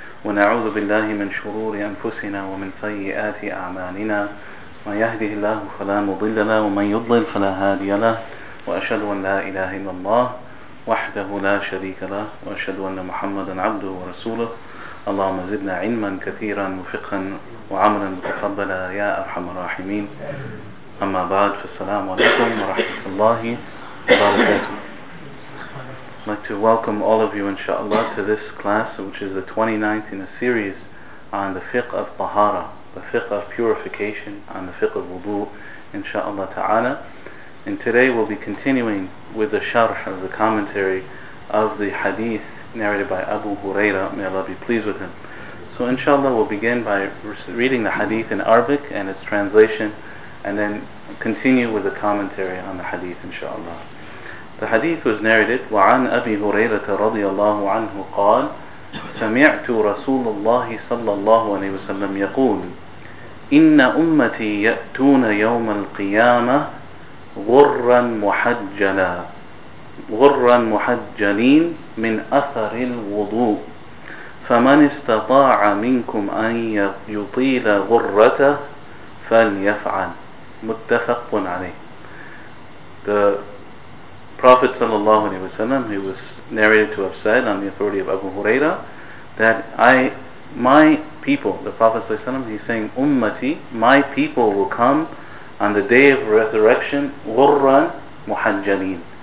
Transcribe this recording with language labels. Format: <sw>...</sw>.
<ar>ونعوذ بالله من شرور أنفسنا ومن سيئات أعمالنا، من يهده الله فلا مضل له ومن يضلل فلا هادي له، وأشهد أن لا إله إلا الله وحده لا شريك له، وأشهد أن محمدا عبده ورسوله. اللهم زدنا علما كثيرا وفقا وعملا متقبلا يا أرحم الراحمين. أما بعد، فالسلام عليكم ورحمة الله وبركاته.</ar> <en>I'd like to welcome all of you inshallah to this class, which is the 29th in a series on the fiqh of tahara, the fiqh of purification, on the fiqh of wudu inshallah ta'ala. And today we'll be continuing with the sharh of the commentary of the hadith narrated by Abu Huraira, may Allah be pleased with him. So inshallah we'll begin by reading the hadith in Arabic and its translation, and then continue with the commentary on the hadith inshallah. The hadith was narrated,</en> <ar>وَعَنْ أَبِي هُرَيْرَةَ رَضِيَ اللَّهُ عَنْهُ قَالْ سَمِعْتُ رَسُولُ اللَّهِ صَلَّى اللَّهُ عَلَيْهِ وَسَلَّمْ يَقُولُ إِنَّ أُمَّتِي يَأْتُونَ يَوْمَ الْقِيَامَةِ غُرًّا مُحَجَّلًا غرا محجلين من أثر الوضوء، فمن استطاع منكم أن يطيل غرته فليفعل. متفق عليه.</ar> <en>The Prophet sallallahu alaihi wasallam, he was narrated to have said on the authority of Abu Huraira that my people, the Prophet sallallahu alaihi wasallam, he's saying ummati, my people will come on the day of resurrection</en> <ar>غُرَّا محجلين.</ar>